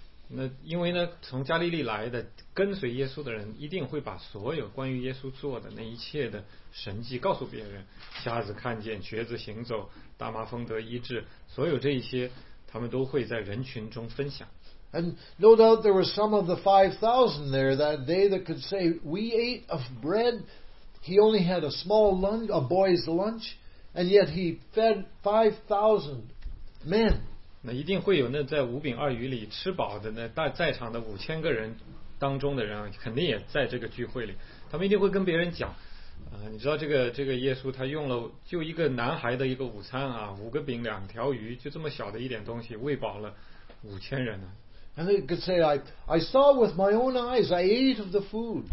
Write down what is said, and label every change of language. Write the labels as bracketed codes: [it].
[zh] 那因为呢，从加利利来的跟随耶稣的人，一定会把所有关于耶稣做的那一切的神迹告诉别人，瞎子看见，瘸子行走。大麻风得医治，所有这一些，他们都会在人群中分享。 [en] And no doubt there were some of the 5,000 there that day that could say, "We ate of bread. He only had a small lunch, a boy's lunch, and yet he fed 5,000 men." [zh] 那一定会有那在五饼二鱼里吃饱的那大在场的五千个人当中的人，肯定也在这个聚会里，他们一定会跟别人讲。你知道这个耶稣他用了就一个男孩的一个午餐啊，五个饼两条鱼，就这么小的一点东西，喂饱了五千人呢。 [en] And they could say, I saw with my own eyes, I ate of the food.